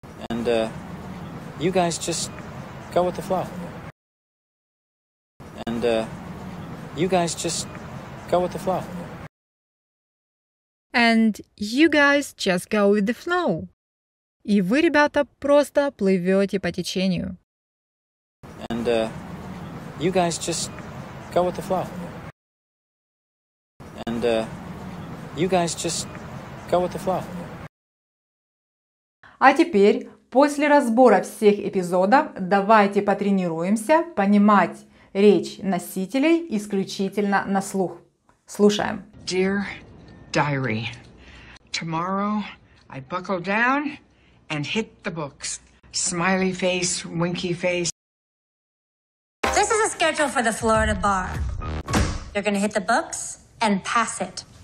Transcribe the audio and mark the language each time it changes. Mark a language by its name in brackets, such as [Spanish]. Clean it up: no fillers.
[English] And you guys just go with the flow. And you guys just go with the flow. And you guys just go with the flow. [Russian] И вы, ребята, просто плывете по течению. [English] And you guys just go with the flow. And you guys just go with the flow. [Russian] А теперь, после разбора всех эпизодов, давайте потренируемся понимать речь носителей исключительно на слух. Слушаем. [English] Dear diary, tomorrow I buckle down and hit the books. Smiley face, winky face. This is a schedule for the Florida bar. You're gonna hit the books and pass it.